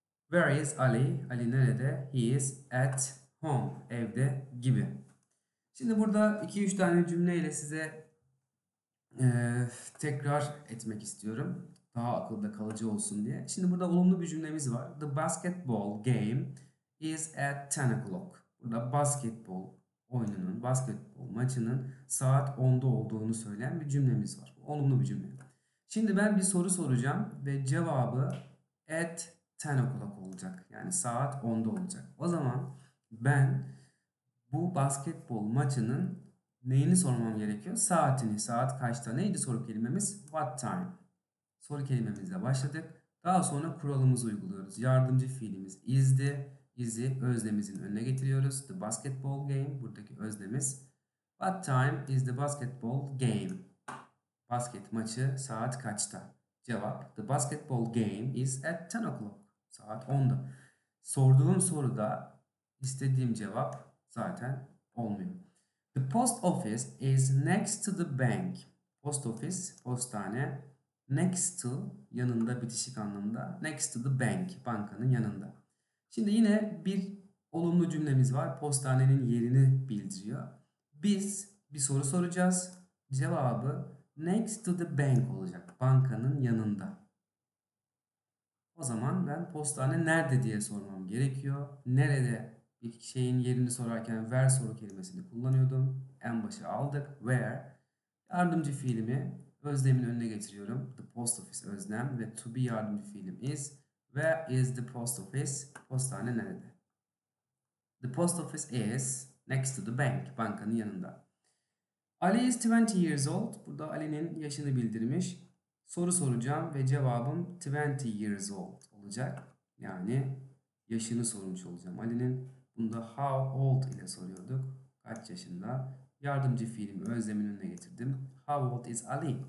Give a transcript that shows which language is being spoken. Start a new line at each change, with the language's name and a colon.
English: Where is Ali?
Turkish: Ali nerede?
English: He is at home.
Turkish: Evde gibi. Şimdi burada 2-3 tane cümleyle size tekrar etmek istiyorum. Daha akılda kalıcı olsun diye. Şimdi burada olumlu bir cümlemiz var.
English: The basketball game is at 10 o'clock.
Turkish: Burada basketbol oyununun, basketbol maçının saat 10'da olduğunu söyleyen bir cümlemiz var. Olumlu bir cümle. Şimdi ben bir soru soracağım ve cevabı
English: at 10 o'clock
Turkish: olacak. Yani saat 10'da olacak. O zaman ben bu basketbol maçının neyini sormam gerekiyor? Saatini. Saat kaçta? Neydi soru kelimemiz?
English: What time?
Turkish: Soru kelimemizle başladık. Daha sonra kuralımızı uyguluyoruz. Yardımcı fiilimiz is'di. Is'i öznemizin önüne getiriyoruz.
English: The basketball game.
Turkish: Buradaki öznemiz.
English: What time is the basketball game?
Turkish: Basket maçı saat kaçta? Cevap.
English: The basketball game is at 10 o'clock.
Turkish: Saat 10'da. Sorduğum soruda istediğim cevap zaten olmuyor.
English: The post office is next to the bank.
Turkish: Post office, postane. Next to, yanında, bitişik anlamda.
English: Next to the bank,
Turkish: bankanın yanında. Şimdi yine bir olumlu cümlemiz var. Postanenin yerini bildiriyor. Biz bir soru soracağız. Cevabı
English: next to the bank
Turkish: olacak. Bankanın yanında. O zaman ben postane nerede diye sormam gerekiyor. Nerede bir şeyin yerini sorarken where soru kelimesini kullanıyordum. En başa aldık. Where. Yardımcı fiilimi özlemin önüne getiriyorum.
English: The post office
Turkish: özlem ve to be yardımcı fiilim is.
English: Where is the post office?
Turkish: Postane nerede?
English: The post office is next to the bank.
Turkish: Bankanın yanında.
English: Ali is 20 years old.
Turkish: Burada Ali'nin yaşını bildirmiş. Soru soracağım ve cevabım
English: 20 years old
Turkish: olacak. Yani yaşını sormuş olacağım. Ali'nin bunda
English: how old
Turkish: ile soruyorduk. Kaç yaşında? Yardımcı fiilim özlemin önüne getirdim.
English: How old is Ali?